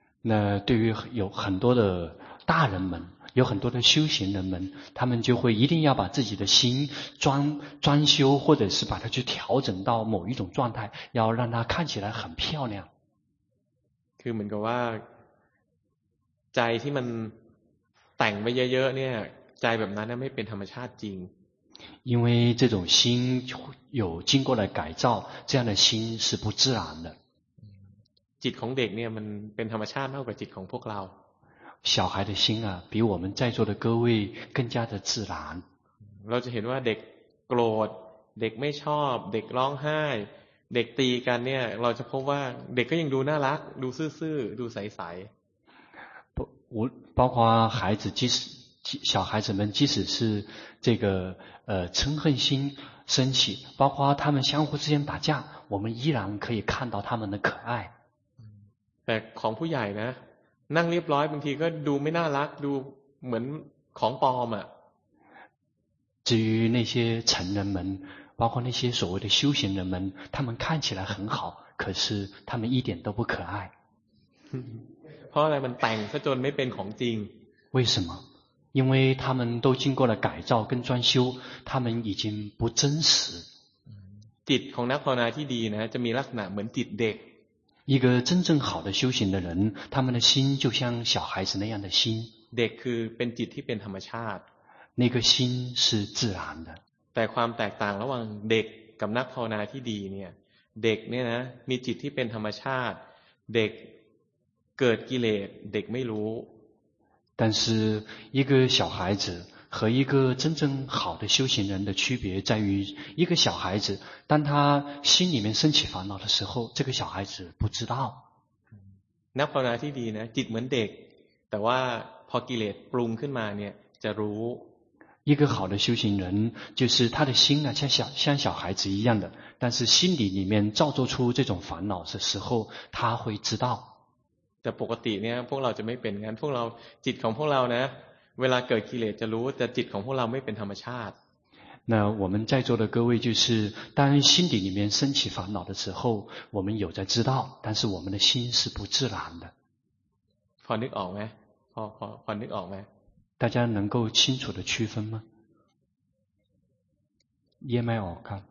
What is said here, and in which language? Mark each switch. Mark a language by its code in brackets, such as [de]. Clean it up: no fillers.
[zh] 那对于有很多的大人们有很多的修行人们他们就会一定要把自己的心装修或者是把它去调整到某一种状态要让它看起来很漂亮 [th] คือเหมือนกับว่าใจที่มันแต่งไปเยอะๆเนี่ยใจแบบนั้นไม่เป็นธรรมชาติจริง [zh] 因为这种心有经过了改造，这样的心是不自然的。 [th] จิตของเด็กเนี่ยมันเป็นธรรมชาติมากกว่าจิตของพวกเรา。 [zh] 小孩的心啊，比我们在座的各位更加的自然。 [th] เราจะเห็นว่าเด็กโกรธเด็กไม่ชอบเด็กร้องไห้เด็กตีกันเนี่ยเราจะพบว่าเด็กก็ยังดูน่ารักดูซื่อๆดูใส [zh] ๆ包括孩子即使小孩子们即使是这个嗔恨心升起包括他们相互之间打架我们依然可以看到他们的可爱 [th] แต่ของผู้ใหญ่นะนั่งเรียบร้อยบางทีก็ดูไม่น่ารักดูเหมือนของปลอมอ่ะ [zh] 至于那些成人们包括那些所谓的修行人们他们看起来很好可是他们一点都不可爱 [th] เพราะอะไรมันแต่งซะจนไม่เป็นของจริง [zh] 为什么因为他们都经过了改造跟装修他们已经不真实 [th] จิตของนักภาวนาที่ดีนะจะมีลักษณะเหมือนจิตเด็ก [zh] 一个真正好的修行的人他们的心就像小孩子那样的心 [th] เด็กคือเป็นจิตที่เป็นธรรมชาติ [zh] 那个心是自然的 [th] แต่ความแตกต่างระหว่างเด็กกับนักภาวนาที่ดีเนี่ยเด็กเนี่ยนะมีจิตที่เป็นธรรมชาติเด็กเกิดกิเลสเด็กไม่รู้ [zh] 但是一个小孩子和一个真正好的修行人的区别在于一个小孩子当他心里面升起烦恼的时候这个小孩子不知道 [th] นักภาวนาที่ดีนะจิตเหมือนเด็กแต่ว่าพอกิเลสปรุงขึ้นมาเนี่ยจะรู้ [zh] 一个好的修行人就是他的心啊像小孩子一样的但是心里面造作出这种烦恼的时候他会知道 [th] แต่ปกติเนี่ยพวกเราจะไม่เป็นงั้นพวกเราจิตของพวกเรานะเวลาเกิดกิเลสจะรู้แต่จิตของพวกเราไม่เป็นธรรมชาติ [zh] 那我们在座的各位就是当心底里面升起烦恼的时候我们有在知道但是我们的心是不自然的 [th] พอนึกออกไหมพอนึกออกไหม [zh] 大家能够清楚的区分吗 [th] แยกไม่ออกครับ